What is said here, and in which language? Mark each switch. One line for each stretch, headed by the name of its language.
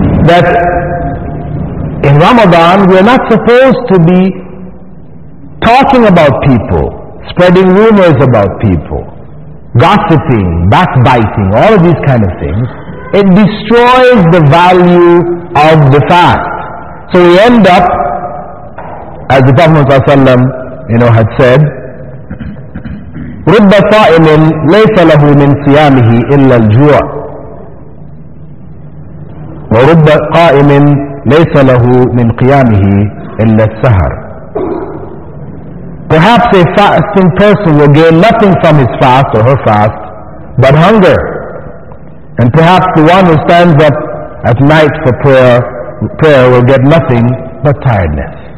English: That in Ramadan, we're not supposed to be talking about people, spreading rumors about people, gossiping, backbiting, all of these kind of things. It destroys the value of the fast. So we end up, as the Prophet ﷺ, had said,
Arabic: رُبَّ صَائِمٍ لَيْسَ لَهُ مِنْ صِيَامِهِ إِلَّا الْجُوعَ وَرُبَّ قَائِمٍ لَيْسَ لَهُ مِنْ قِيَامِهِ إِلَّا السَّهَرِ.
English: Perhaps a fasting person will gain nothing from his fast or her fast but hunger. And perhaps the one who stands up at night for prayer will get nothing but tiredness.